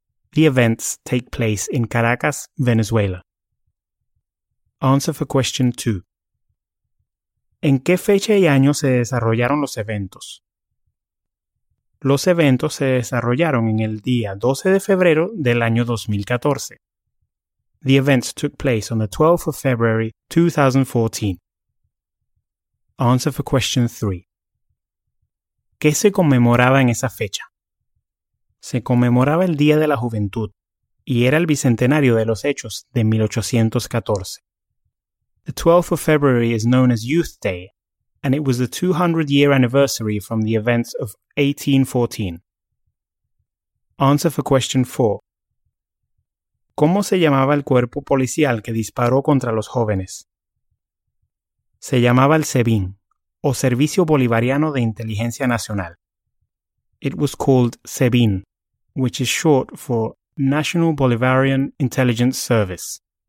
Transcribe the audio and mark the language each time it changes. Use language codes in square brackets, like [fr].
[en] The events take place in Caracas, Venezuela. Answer for question 2. [es] ¿En qué fecha y año se desarrollaron los eventos? Los eventos se desarrollaron en el día 12 de febrero del año 2014. [en] The events took place on the 12th of February, 2014. Answer for question 3. [es] ¿Qué se conmemoraba en esa fecha? Se conmemoraba el Día de la Juventud y era el bicentenario de los hechos de 1814. [en] The 12th of February is known as Youth Day, and it was the 200-year anniversary from the events of 1814. Answer for question 4. [es] ¿Cómo se llamaba el cuerpo policial que disparó contra los jóvenes? Se llamaba el SEBIN, o Servicio Bolivariano de Inteligencia Nacional. [en] It was called SEBIN, which is short for National Bolivarian Intelligence Service.